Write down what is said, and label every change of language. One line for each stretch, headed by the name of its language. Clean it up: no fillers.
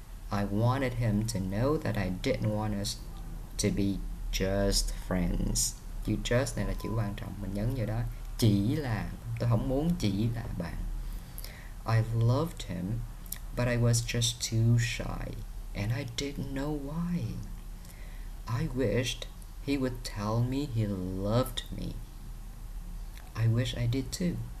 English: I wanted him to know that I didn't want us to be just friends.
Vietnamese: Chữ just này là chữ quan trọng, mình nhấn vào đó. Chỉ là, tôi không muốn chỉ là bạn.
English: I loved him, but I was just too shy, and I didn't know why. I wished he would tell me he loved me. I wish I did too.